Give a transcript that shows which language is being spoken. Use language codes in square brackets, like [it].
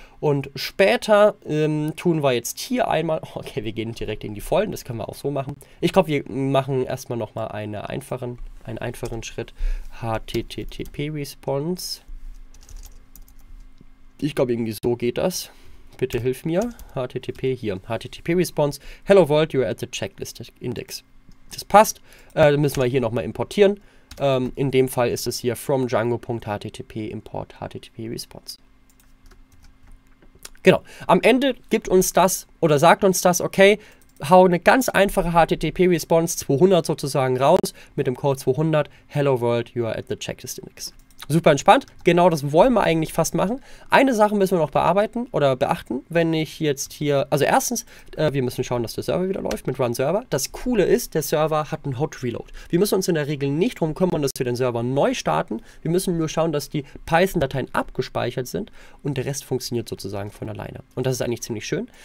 [de] Und später tun wir jetzt hier einmal, okay, wir gehen direkt in die Folgen. Das können wir auch so machen. Ich glaube, wir machen erstmal nochmal einen einfachen Schritt. [en] HTTP-Response. [de] Ich glaube, irgendwie so geht das. Bitte hilf mir. HTTP hier. HTTP-Response. [en] Hello World, you are at the checklist index. [de] Das passt. Dann müssen wir hier nochmal importieren. In dem Fall ist es hier from django.http import HTTP-Response. Genau. Am Ende gibt uns das oder sagt uns das, okay, hau eine ganz einfache HTTP-Response 200 sozusagen raus mit dem Code 200. [en] Hello World, you are at the checklist index. [de] Super entspannt. Genau das wollen wir eigentlich fast machen. Eine Sache müssen wir noch bearbeiten oder beachten, wenn ich jetzt hier, also erstens, wir müssen schauen, dass der Server wieder läuft mit Run Server. Das Coole ist, der Server hat einen Hot Reload. Wir müssen uns in der Regel nicht drum kümmern, dass wir den Server neu starten. Wir müssen nur schauen, dass die Python-Dateien abgespeichert sind und der Rest funktioniert sozusagen von alleine. Und das ist eigentlich ziemlich schön.